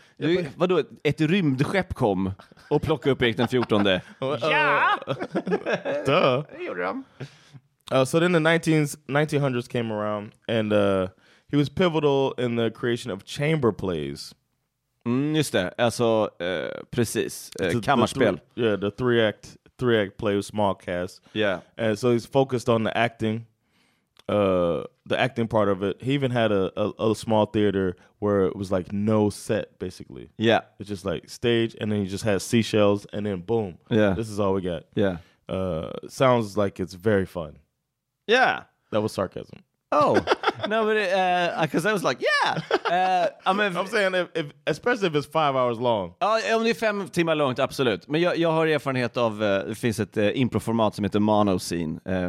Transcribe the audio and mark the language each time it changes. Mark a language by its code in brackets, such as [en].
[sv] Men vadå, ett rymdskepp kom och plockade upp Erik den 14:e? Ja! [en] Duh. [sv] Det gjorde de. [en] So then the 1900s came around and he was pivotal in the creation of chamber plays. [sv] Just det, alltså precis, kammarspel. [en] The three-act play with small cast. Yeah. And so he's focused on the acting part of it. He even had a small theater where it was like no set, basically. Yeah. It's just like stage, and then he just has seashells, and then boom. Yeah. This is all we got. Yeah. Sounds like it's very fun. Yeah. That was sarcasm. Oh, no, but because I was like, yeah. I'm saying, if especially if it's 5 hours long. [sv] Om det är 5 timmar långt, absolut. Men jag har erfarenhet av, det finns ett improformat som heter Mono Scene.